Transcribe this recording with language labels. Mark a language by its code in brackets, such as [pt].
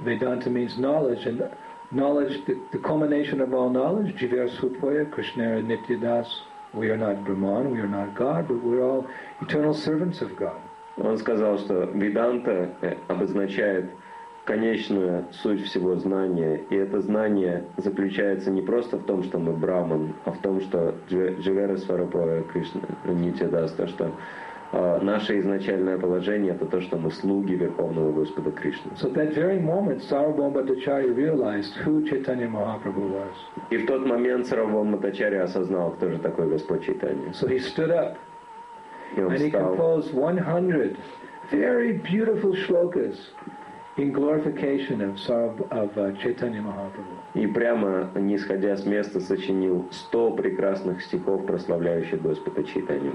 [en] Vedanta means knowledge, and knowledge, the culmination of all knowledge, [bn] Jivasupaya, Krishnara Nityadas, [en] we are not Brahman, we are not God, but we're all eternal servants of God. [ru] Он сказал, что Веданта обозначает конечную суть всего знания, и это знание заключается не просто в том, что мы Брахман, а в том, что [bn] Дживарасварапоя Кришна Нитидаста, [ru] что наше изначальное положение — это то, что мы слуги Верховного Господа Кришны. [en] So that very moment, Sarvabhauma Bhattacharya realized who Chaitanya Mahaprabhu was. [ru] И в тот момент Сарвабхаума Бхаттачарья осознал, кто же такой Господь Чайтанья. [en] So he stood up, and [ru] встал, [en] he composed 100 very beautiful shlokas in glorification of Chaitanya Mahaprabhu. [ru] И прямо, не сходя с места, сочинил 100 прекрасных стихов, прославляющих Господа Чайтанью.